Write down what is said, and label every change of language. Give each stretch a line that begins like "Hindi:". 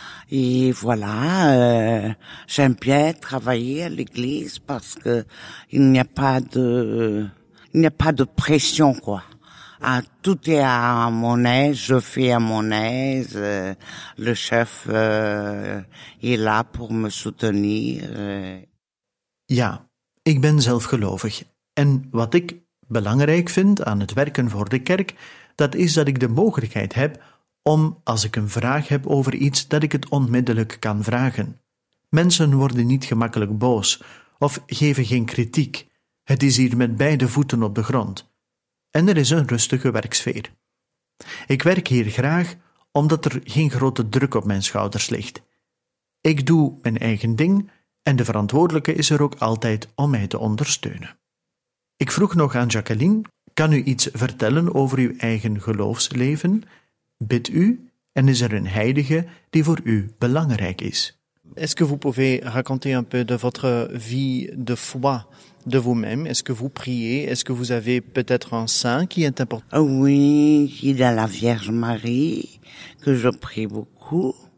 French: Et voilà, j'aime bien travailler à l'église parce que il n'y a pas de pression, quoi. Ah, tout est à mon aise, je fais à mon aise, le chef est là pour me soutenir.
Dutch: Ja, ik ben zelfgelovig. En wat ik belangrijk vind aan het werken voor de kerk, dat is dat ik de mogelijkheid heb om, als ik een vraag heb over iets, dat ik het onmiddellijk kan vragen. Mensen worden niet gemakkelijk boos of geven geen kritiek. Het is hier met beide voeten op de grond. En er is een rustige werksfeer. Ik werk hier graag omdat er geen grote druk op mijn schouders ligt. Ik doe mijn eigen ding en de verantwoordelijke is er ook altijd om mij te ondersteunen. Ik vroeg nog aan Jacqueline, kan u iets vertellen over uw eigen geloofsleven? Bid u en is er een heilige die voor u belangrijk is?
French: Est-ce que vous pouvez raconter un peu de votre vie de foi de vous-même? Est-ce que vous priez? Est-ce que vous avez peut-être un saint qui est important? Oui, il y a la Vierge Marie que je prie beaucoup.